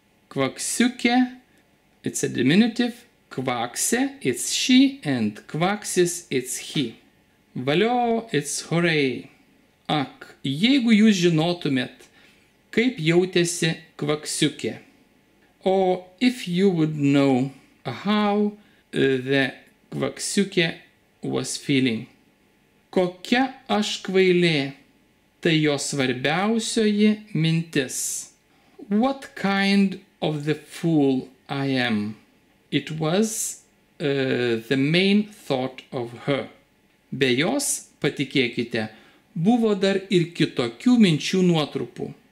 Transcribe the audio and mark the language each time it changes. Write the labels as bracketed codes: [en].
[en] Kvaksiukė, it's a diminutive. Kvaksė, it's she, and kvaksis, it's he. Valio, it's hooray. [lt] Ak, jeigu jūs žinotumėt, kaip jautėsi kvaksiukė. [en] Or if you would know how the kvaksiukė was feeling. [lt] Kokia aš kvailė, tai jo svarbiausioji mintis. [en] What kind of the fool I am? It was the main thought of her. [lt] Be jos, patikėkite, buvo dar ir kitokių minčių nuotrupų.